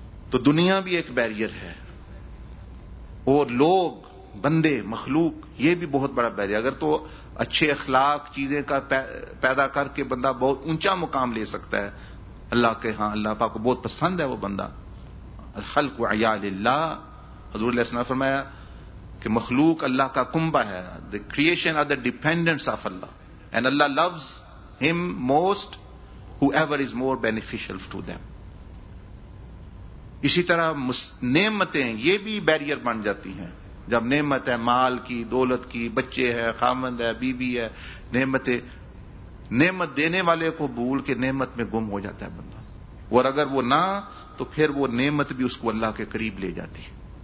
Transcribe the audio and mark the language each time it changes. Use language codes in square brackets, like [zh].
[ur] تو دنیا بھی ایک بیریئر ہے. اور لوگ, بندے, مخلوق, یہ بھی بہت بڑا بیریئر. اگر تو اچھے اخلاق چیزیں کا پیدا کر کے بندہ بہت اونچا مقام لے سکتا ہے, اللہ کے ہاں اللہ پاک کو بہت پسند ہے وہ بندہ. [ar] الخلق عیال اللہ, [ur] حضور علیہ السلام فرمایا کہ مخلوق اللہ کا کنبہ ہے. [en] The creation are the dependents of Allah, and Allah loves him most whoever is more beneficial to them. [ur] اسی طرح نعمتیں, یہ بھی بیریئر بن جاتی ہیں. جب نعمت ہے, مال کی, دولت کی, بچے ہیں, خاوند ہے, بیوی ہے, نعمتیں, نعمت دینے والے کو بھول کے نعمت میں گم ہو جاتا ہے بندہ. اور اگر وہ نہ, تو پھر وہ نعمت بھی اس کو اللہ کے قریب لے جاتی ہے.